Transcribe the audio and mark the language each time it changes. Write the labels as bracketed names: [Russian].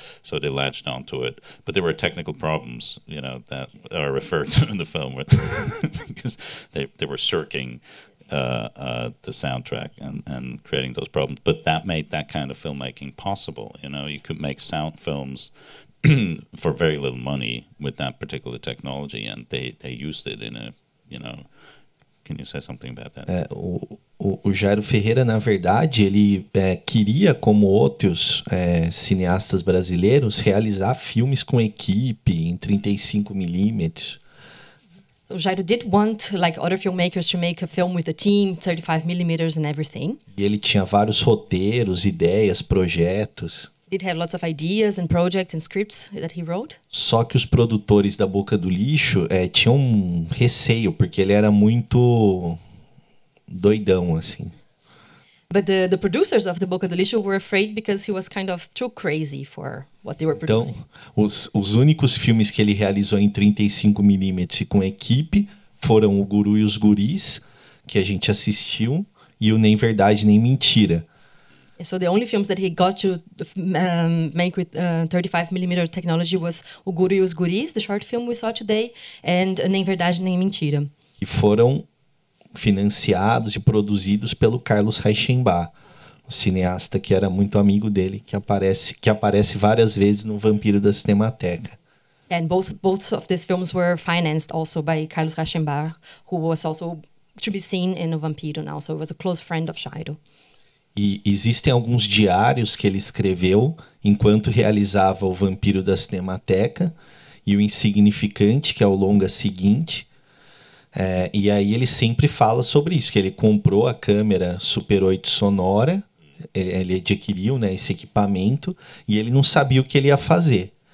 [English] So they latched onto it. But there were technical problems, you know, that are referred to in the film, with because they were circling the soundtrack and creating those problems. But that made that kind of filmmaking possible. You know, you could make sound films for very little money with that particular technology, and they used it in a, you know, can you say something about that? [Portuguese] O Jairo Ferreira, na verdade, ele queria, como outros cineastas brasileiros, realizar filmes com equipe em 35mm. [English] So Jairo did want, like other filmmakers, to make a film with a team, 35mm and everything. [Portuguese] E ele tinha vários roteiros, ideias, projetos. [English] Did have lots of ideas and projects and scripts that he wrote. [Portuguese] Só que os produtores da Boca do Lixo tinham um receio, porque ele era muito doidão, assim. [English] But the producers of the Boca do Lixo were afraid because he was kind of too crazy for what they were producing. [Portuguese] Então, os únicos filmes que ele realizou em 35mm e com equipe foram O Guru e os Guris, que a gente assistiu, e o Nem Verdade Nem Mentira. [English] So the only films that he got to make with 35mm technology was O Guru e os Guris, the short film we saw today, and Nem Verdade Nem Mentira. [Portuguese] E foram financiados e produzidos pelo Carlos Reichenbach, um cineasta que era muito amigo dele, que aparece várias vezes no Vampiro da Cinemateca. [English] And both of these films were financed also by Carlos Reichenbach, who was also to be seen in O Vampiro now, so he was a close friend of Jairo. [Portuguese] E existem alguns diários que ele escreveu enquanto realizava O Vampiro da Cinemateca e O Insignificante, que é o longa seguinte. E aí ele sempre fala sobre isso, que ele comprou a câmera Super 8 Sonora, ele adquiriu, né, esse equipamento, e ele não sabia o que ele ia fazer.